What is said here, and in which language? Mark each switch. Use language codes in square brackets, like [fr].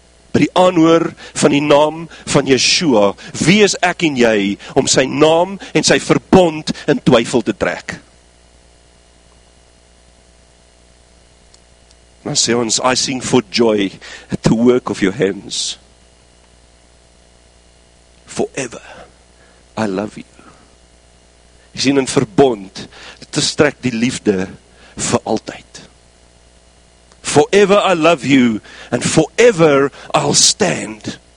[af] By die aanhoor van die naam van Yeshua, wie is ek en jy om sy naam en sy verbond in twyfel te trek? Dan sê ons, [en] I sing for joy at the work of your hands. Forever, I love you. [af] Jy sien in verbond, te strek die liefde vir altyd. [en] Forever I love you, and forever I'll stand.